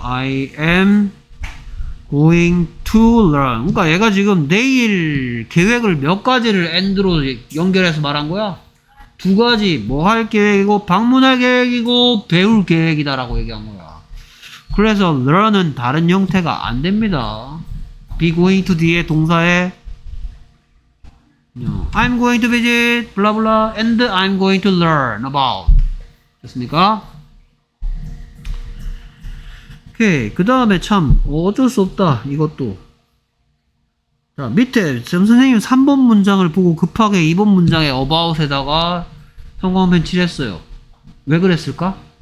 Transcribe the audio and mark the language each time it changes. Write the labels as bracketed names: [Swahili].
[English] I am going to learn. [Korean] 그러니까 얘가 지금 내일 계획을 몇 가지를 end로 연결해서 말한 거야? 두 가지. 뭐 할 계획이고 방문할 계획이고 배울 계획이다 라고 얘기한 거야. 그래서 learn은 다른 형태가 안 됩니다. [English] be going to [Korean] 뒤에 동사에 [English] I'm going to visit blah blah and I'm going to learn about. [Korean] 됐습니까? 오케이. 그 다음에 참 어쩔 수 없다 이것도. 자, 밑에 지금 선생님 3번 문장을 보고 급하게 2번 문장에 about에다가 성공하면 칠했어요. 왜 그랬을까?